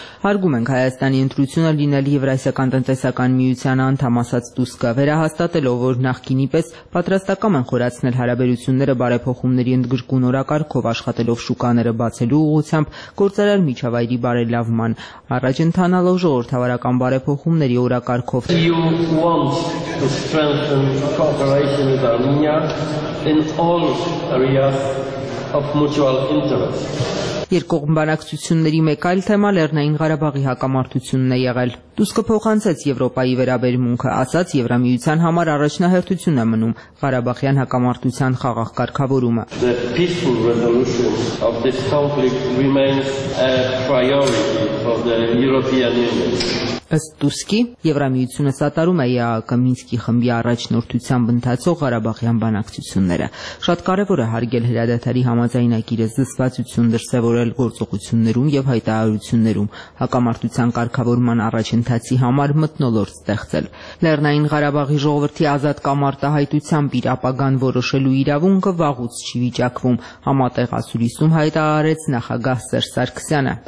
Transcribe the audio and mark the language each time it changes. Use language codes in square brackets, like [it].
[hy] Հարգում ենք Հայաստանի ընտրությունը լինել Եվրասիական տնտեսական միության անդամ, ասաց Տուսկը, վերահաստատելով, որ նախկինի պես պատրաստակամ են խորացնել հարաբերությունները բարեփոխումների ընդգրկու նորակարգով, աշխատելով շուկաները բացելու ուղղությամբ գործարար միջավայրի բարելավման, առաջ ընթանալով ժողովրդավարական բարեփոխումների օրակարգով։ [en] You want to strengthen cooperation with Armenia in all areas of mutual interest. [hy] Երկկողմ բանակցությունների մեկ այլ թեմա Լեռնային Ղարաբաղի հակամարտությունն է եղել։ Տուսկը փոխանցեց Եվրոպայի վերաբերմունքը, ասաց Եվրամիության համար առաջնահերթություն է մնում Ղարաբաղյան հակամարտության խաղաղ կարգավորումը։ [en] The peaceful resolution of this conflict remains a priority for the European Union. [hy] Ըստ Տուսկի, Եվրամիությունը սատարում է ԵԱԿ Մինսկի խմբի առաջնորդությամբ ընթացող Ղարաբաղյան բանակցությունները։ Շատ կարևոր է հարգել հրադադարի համաձայնագիրը, զսպվածություն դրսևորել գործողություններում և հայտարարություններում, հակամարտության կարգավորման առաջընթացի համար մթնոլորտ ստեղծել։ Լեռնային Ղարաբաղի ժողովրդի ազատ կամարտահայտությամբ իր ապագան որոշելու իրավունքը վաղուց չի վիճակվում, համատեղ ասուլիսում հայտարարեց նախագահ Սերժ Սարգսյանը։